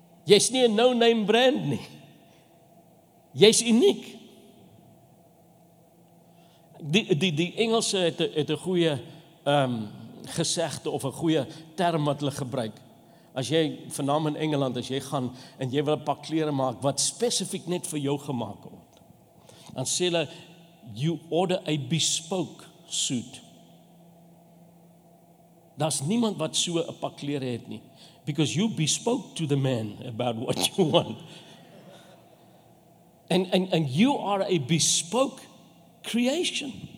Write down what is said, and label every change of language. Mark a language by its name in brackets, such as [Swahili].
[Afrikaans] Jy is nie een no-name brand nie. Jy is uniek. Die Engelse het een goeie gesegde of een goeie term wat hulle gebruik. As jy vanaam in Engeland, as jy gaan en jy wil 'n paar klere maak wat spesifiek net vir jou gemaak word, dan sê hulle, [English] you order a bespoke suit. [Afrikaans] Daar's niemand wat so 'n paar klere het nie. [English] Because you bespoke to the man about what you want. And you are a bespoke creation.